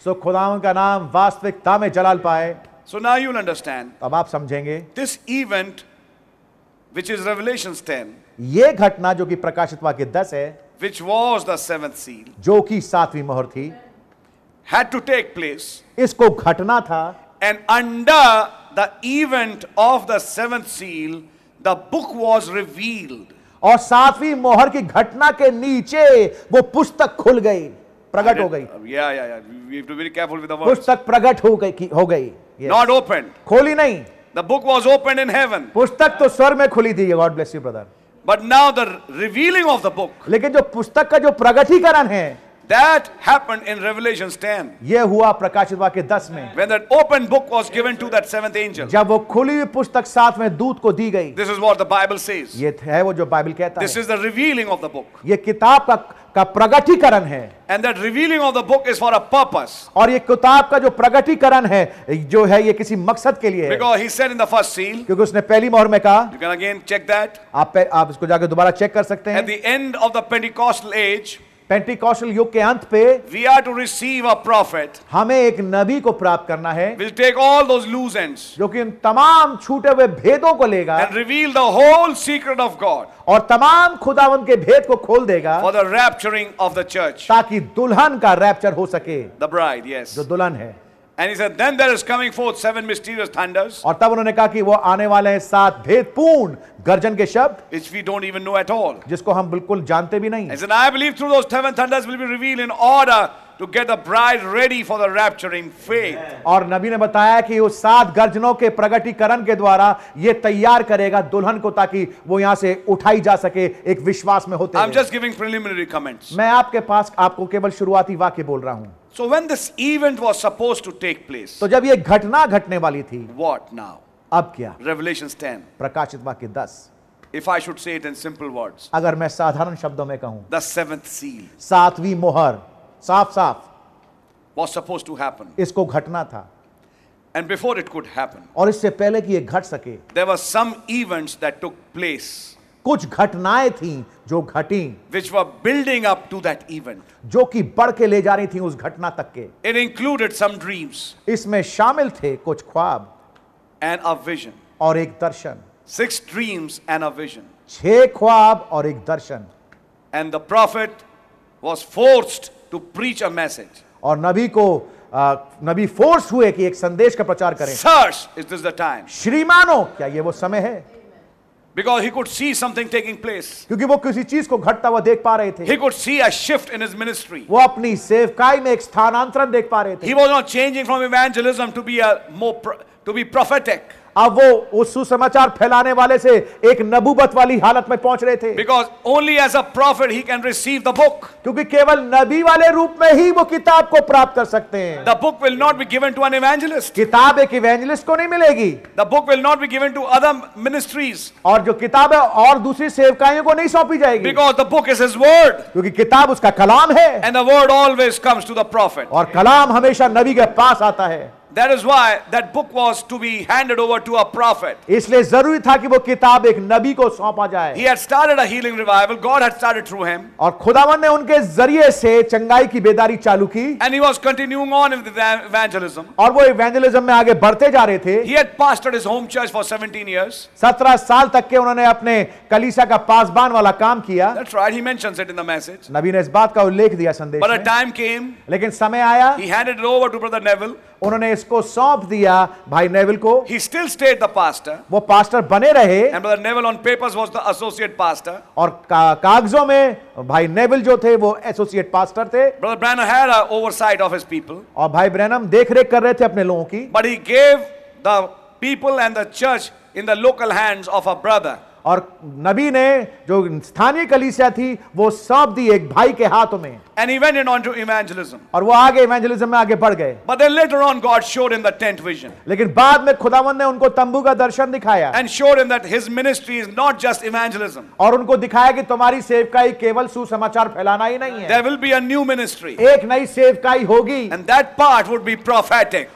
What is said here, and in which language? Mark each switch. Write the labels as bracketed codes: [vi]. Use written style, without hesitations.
[hi] So खुदावन का नाम वास्तविकता में जलाल पाए. [en] So now you'll understand. [hi] अब आप समझेंगे. [en] This event, which is Revelation 10. [hi] ये घटना जो कि प्रकाशित वाक्य 10 है. [en] Which was the seventh seal. [hi] जो कि सातवीं मोहर थी. [en] Had to take place. [hi] इसको घटना था. [en] And under the event of the seventh seal, the book was revealed. [hi] और सातवीं मोहर की घटना के नीचे वो पुस्तक खुल गई, प्रकट हो गई. [en] Yeah. We have to be very careful with the words. [hi] पुस्तक प्रकट हो गई. [en] Yes. Not opened. [hi] खोली नहीं. [en] The book was opened in heaven. [hi] पुस्तक तो स्वर्ग में खुली थी. [en] God bless you, brother. But now the revealing of the book. [hi] लेकिन जो पुस्तक का जो प्रगटीकरण है. [en] That happened in Revelation 10. [hi] ये हुआ प्रकाशित वाक्य 10 में. [en] When that open book was given to that seventh angel. [hi] जब वो खुली हुई पुस्तक सातवें दूत को दी गई. [en] This is what the Bible says. [hi] ये है वो जो बाइबल कहता है. [en] This is the revealing of the book. [hi] ये किताब का प्रगटीकरण है. [en] And that revealing of the book is for a purpose. [hi] और ये किताब का जो प्रगटीकरण है जो है ये किसी मकसद के लिए है. [en] Because he said in the first seal. [hi] क्योंकि उसने पहली मोहर में कहा. [en] You can again check that. [hi] आप इसको जाकर दोबारा चेक कर सकते हैं. [en] At the end of the Pentecostal age. [hi] Pentecostal युग के अंत पे [en] we are to receive a prophet, [hi] हमें एक नबी को प्राप्त करना है [en] we'll take all those loose ends, [hi] जो कि तमाम छूटे हुए भेदों को लेगा [en] and reveal the whole secret of God, [hi] और तमाम खुदावंद के भेद को खोल देगा [en] for the rapturing of the church, [hi] ताकि दुल्हन का रैप्चर हो सके [en] the bride, yes. [hi] जो दुल्हन है. [en] And he said, then there is coming forth seven mysterious thunders. [hi] और तब उन्होंने कहा कि वो आने वाले हैं सात भेदपूर्ण गर्जन के शब्द. [en] Which we don't even know at all. [hi] जिसको हम बिल्कुल जानते भी नहीं. [en] And he said, I believe through those seven thunders will be revealed in order to get the bride ready for the rapturing faith. [hi] और नबी ने बताया कि उस सात गर्जनों के प्रगटीकरण के द्वारा ये तैयार करेगा दुल्हन को ताकि वो यहाँ से उठाई जा सके एक विश्वास में होते [en] हैं. I'm just giving preliminary comments. [hi] मैं आपके पास आपको केवल शुरुआती वाक्य बोल रहा हूँ. [en] So when this event was supposed to take place, [hi] तो जब ये घटना घटने वाली थी, [en] what now? [hi] अब क्या? [en] Revelation 10. [hi] प्रकाशित वाक्य 10. [en] If I should say it in simple words, [hi] अगर मैं साधारण शब्दों में कहूँ, [en] the seventh seal, [hi] सातवीं मोहर, साफ-साफ, [en] was supposed to happen. [hi] इसको घटना था. [en] And before it could happen, [hi] और इससे पहले कि ये घट सके, [en] there were some events that took place. [hi] कुछ घटनाएं थीं जो घटी [en] which were building up to that event [hi] जो कि बढ़ के ले जा रही थी उस घटना तक के. [en] it included some dreams [hi] इसमें शामिल थे कुछ ख्वाब [en] and a vision [hi] और एक दर्शन. [en] six dreams and a vision [hi] छह ख्वाब और एक दर्शन. [en] and the prophet was forced to preach a message [hi] और नबी को नबी फोर्स हुए कि एक संदेश का प्रचार करें. [en] sirs is this the time [hi] श्रीमानो क्या ये वो समय है. [en] Because he could see something taking place. [hi] क्योंकि वो किसी चीज को घटता हुआ देख पा रहे थे. [en] He could see a shift in his ministry. [hi] वो अपनी सेवकाई में एक स्थानांतरण देख पा रहे थे. [en] He was not changing from evangelism to be a more to be prophetic. [hi] अब वो उस सुसमाचार फैलाने वाले से एक नबूवत वाली हालत में पहुंच रहे थे. [en] Because only as a prophet he can receive the book. [hi] क्योंकि केवल नबी वाले रूप में ही वो किताब को प्राप्त कर सकते हैं. [en] The book will not be given to an evangelist. [hi] किताब एक evangelist को नहीं मिलेगी. [en] The book will not be given to other ministries. [hi] और जो किताब है और दूसरी सेवकाइयों को नहीं सौंपी जाएगी. [en] Because the book is his word. [hi] क्योंकि किताब उसका कलाम है. [en] And the word always comes to the prophet. [hi] और कलाम हमेशा नबी के पास आता है. [en] That is why that book was to be handed over to a prophet. [hi] इसलिए जरूरी था कि वो किताब एक नबी को सौंपा जाए. [en] He had started a healing revival. God had started through him. [hi] और खुदावन ने उनके जरिए से चंगाई की बेदारी चालू की. [en] And he was continuing on with the evangelism. [hi] और वो evangelism में आगे बढ़ते जा रहे थे. [en] He had pastored his home church for 17 years. [hi] 17 साल तक के उन्होंने अपने कलीसिया का पासबान वाला काम किया. [en] That's right. He mentions it in the message. [hi] नबी ने इस बात का उल्लेख दिया संदेश [en] But [hi] में. [en] But a time came. [hi] लेकिन समय आया. [en] He handed it over to Brother Neville. [hi] उन्होंने इसको सौंप दिया भाई नेविल को. [en] He still stayed the pastor. [hi] वो पास्टर बने रहे. [en] And Brother Neville on papers was the associate pastor. [hi] और कागजों में भाई नेविल जो थे वो एसोसिएट पास्टर थे. [en] Brother Branham had an oversight of his people. [hi] और भाई ब्रैनम देखरेख कर रहे थे अपने लोगों की. [en] But he gave the people and the church in the local hands of a brother. [hi] और नबी ने जो स्थानीय कलीसिया थी वो सौंप दी एक भाई के हाथों में. [en] And he went on to evangelism. [hi] और वो आगे evangelism में आगे बढ़ गए. [en] But then later on God showed him the tent vision. [hi] लेकिन बाद में खुदावन ने उनको तंबू का दर्शन दिखाया. [en] And showed him that his ministry is not just evangelism. [hi] और उनको दिखाया कि तुम्हारी सेवकाई केवल सुसमाचार फैलाना ही नहीं है. [en] There will be a new ministry. [hi] एक नई सेवकाई होगी. [en] And that part would be prophetic.